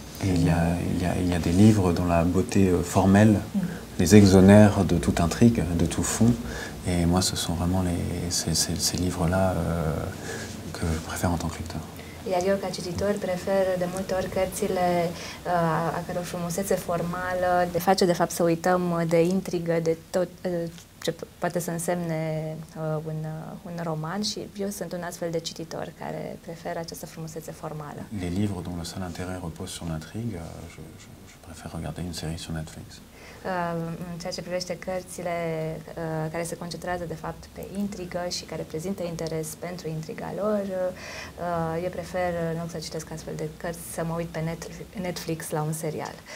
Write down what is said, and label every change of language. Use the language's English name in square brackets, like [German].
[French] Il y a des livres dont la beauté formelle les exonère de toute intrigue, de tout fond. Et moi, ce sont vraiment ces livres-là que je préfère en tant que lecteur. [Romanian] Iar eu, ca cititor, prefer de multe ori cărțile a căror frumusețe formală de face, de fapt, să uităm de intrigă, de tot ce poate să însemne un roman. Și eu sunt un astfel de cititor care preferă această frumusețe formală. [French] Les livres dont le seul intérêt repose sur l'intrigue, je préfère regarder une série sur Netflix. [Romanian] În ceea ce privește cărțile care se concentrează, de fapt, pe intrigă și care prezintă interes pentru intriga lor, eu prefer, nu să citesc astfel de cărți, să mă uit pe Netflix la un serial.